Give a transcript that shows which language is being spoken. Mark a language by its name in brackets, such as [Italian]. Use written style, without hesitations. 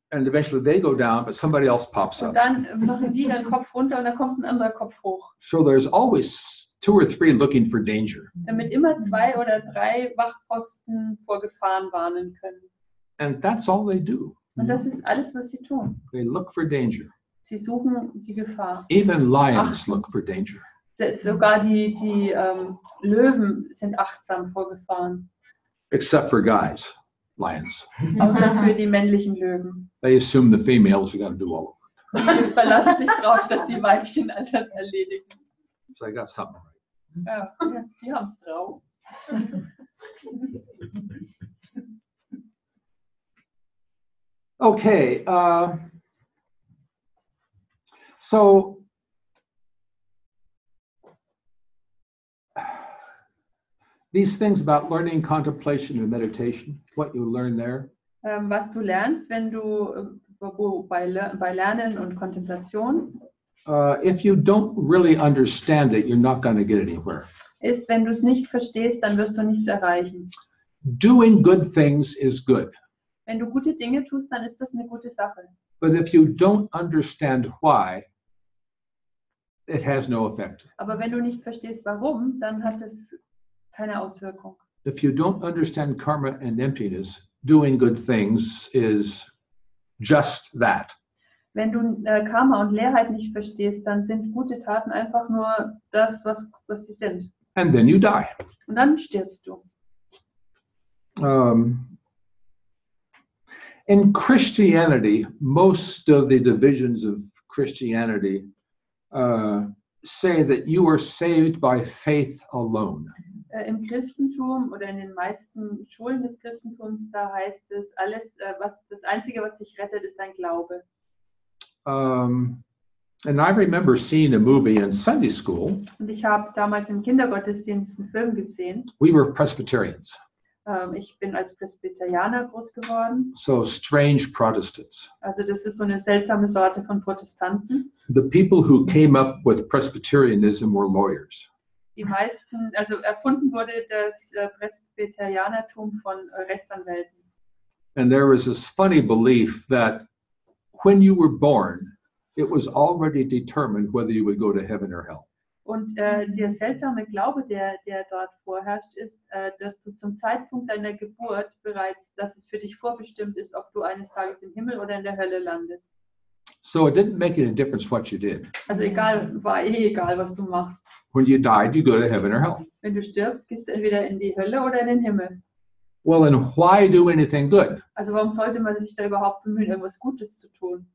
[English] And eventually they go down, but somebody else pops [German] und [English] up. [German] Dann machen die ihren Kopf runter und dann kommt ein anderer Kopf hoch. [English] So there's always two or three looking for danger. [German] Damit immer zwei oder drei Wachposten vor Gefahren warnen können. [English] And that's all they do. [German] Und das ist alles, was sie tun. [English] They look for danger. [German] Sie suchen die Gefahr. [English] Even lions look for danger. [German] Sogar die Löwen sind achtsam vor Gefahren. [English] Except for guys, lions. [German] Außer für die männlichen Löwen. [English] They assume the females are going to do all of it. [German] Sie verlassen sich darauf, dass die Weibchen alles erledigen. [English] So I got something right. [German] Ja, die haben es drauf. [English] Okay, so these things about learning contemplation and meditation, what you learn there. [German] Was du lernst, wenn du bei Lernen und Kontemplation. [English] If you don't really understand it, you're not going to get anywhere. [German] Ist, wenn du es nicht verstehst, dann wirst du nichts erreichen. [English] Doing good things is good. [German] Wenn du gute Dinge tust, dann ist das eine gute Sache. [English] But if you don't understand why, it has no effect. [German] Aber wenn du nicht verstehst, warum, dann hat es keine Auswirkung. [English] If you don't understand karma and emptiness, doing good things is just that. [German] Wenn du Karma und Leerheit nicht verstehst, dann sind gute Taten einfach nur das, was sie sind. [English] And then you die. [German] Und dann stirbst du. [English] In Christianity, most of the divisions of Christianity say that you are saved by faith alone. [German] Im Christentum oder in den meisten Schulen des Christentums, da heißt es, alles, was, das Einzige, was dich rettet, ist dein Glaube. [English] And I remember seeing a movie in Sunday school. [German] Und ich habe damals im Kindergottesdienst einen Film gesehen. [English] We were Presbyterians. [German] Ich bin als Presbyterianer groß geworden. [English] So strange Protestants. [German] Also das ist so eine seltsame Sorte von Protestanten. [English] The people who came up with Presbyterianism were lawyers. [German] Die meisten, also erfunden wurde das Presbyterianertum von Rechtsanwälten. [English] And there was this funny belief that when you were born, it was already determined whether you would go to heaven or hell. [German] Und der seltsame Glaube, der dort vorherrscht, ist, dass du zum Zeitpunkt deiner Geburt bereits, dass es für dich vorbestimmt ist, ob du eines Tages im Himmel oder in der Hölle landest. [English] So it didn't make any difference what you did. [German] Also egal, war eh egal, was du machst. [English] When you died, you go to heaven or hell. [German] Wenn du stirbst, gehst du entweder in die Hölle oder in den Himmel. [English] Well, and why do anything good? [German] Also warum sollte man sich da überhaupt bemühen, irgendwas Gutes zu tun?